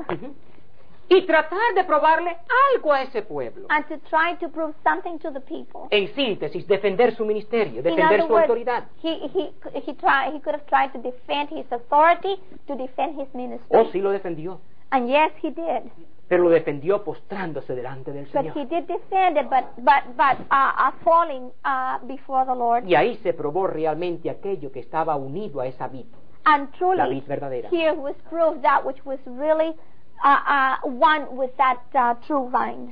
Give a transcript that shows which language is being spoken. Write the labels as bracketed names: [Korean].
[Spanish] Uh-huh. Y tratar de probarle algo a ese pueblo. [English] And to try to prove something to the people. [Spanish] En síntesis, defender su ministerio, defender su autoridad. [English] He could have tried to defend his authority, to defend his ministry. [Spanish] Oh, sí lo defendió. [English] And yes, he did. [Spanish] Pero lo defendió postrándose delante del Señor. [English] But he did defend it, but falling before the Lord. [Spanish] Y ahí se probó realmente aquello que estaba unido a esa vid. [English] And truly, [Spanish] la vid verdadera. [English] Here was proved that which was really one with that true vine.